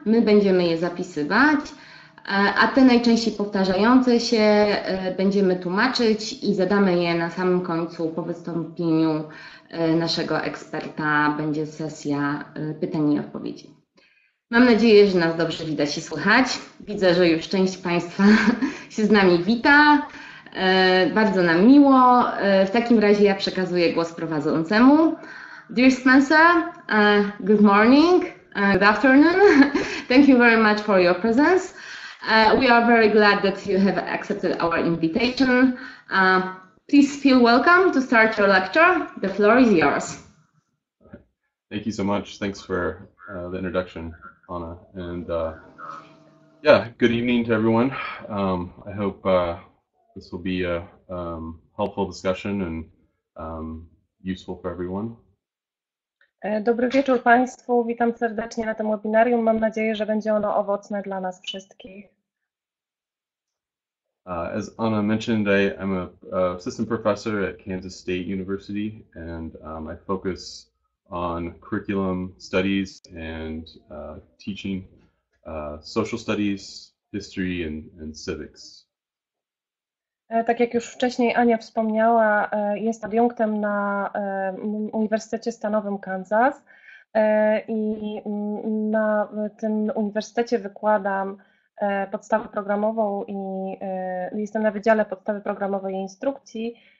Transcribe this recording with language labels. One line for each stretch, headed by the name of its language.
Polish: My będziemy je zapisywać. A te najczęściej powtarzające się będziemy tłumaczyć i zadamy je na samym końcu po wystąpieniu naszego eksperta. Będzie sesja pytań i odpowiedzi. Mam nadzieję, że nas dobrze widać i słychać. Widzę, że już część Państwa się z nami wita. Bardzo nam miło. W takim razie ja przekazuję głos prowadzącemu.
English: Dear Spencer, good morning, good afternoon. Thank you very much for your presence. We are very glad that you have accepted our invitation. Please feel welcome to start your lecture. The floor is yours. Thank you so much. Thanks for the introduction, Anna. And yeah, good evening to everyone. I hope this will be a helpful discussion and useful for everyone.
Polish: Dobry wieczór Państwu. Witam serdecznie na tym webinarium. Mam nadzieję, że będzie ono owocne dla nas wszystkich.
English: As Anna mentioned, I'm a assistant professor at Kansas State University, and I focus on curriculum studies and teaching social studies, history, and civics.
Polish: Tak jak już wcześniej Ania wspomniała, jest adiunktem na Uniwersytecie Stanowym Kansas i na tym uniwersytecie wykładam podstawę programową i jestem na Wydziale Podstawy Programowej i Instrukcji.